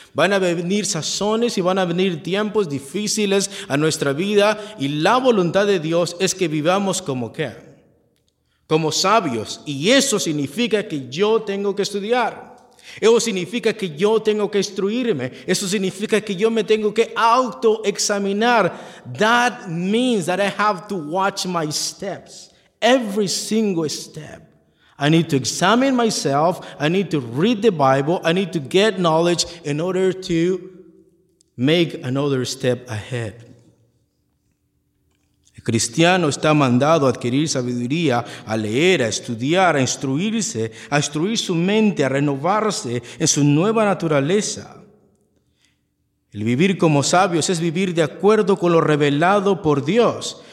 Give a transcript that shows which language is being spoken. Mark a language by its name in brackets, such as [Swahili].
[Spanish] Van a venir sazones y van a venir tiempos difíciles a nuestra vida, y la voluntad de Dios es que vivamos como ¿qué? Como sabios. Y eso significa que yo tengo que estudiar. Eso significa que yo tengo que instruirme. Eso significa que yo me tengo que autoexaminar. [English] That means that I have to watch my steps. Every single step. I need to examine myself. I need to read the Bible. I need to get knowledge in order to make another step ahead. [Spanish] Cristiano está mandado a adquirir sabiduría, a leer, a estudiar, a instruirse, a instruir su mente, a renovarse en su nueva naturaleza. El vivir como sabios es vivir de acuerdo con lo revelado por Dios.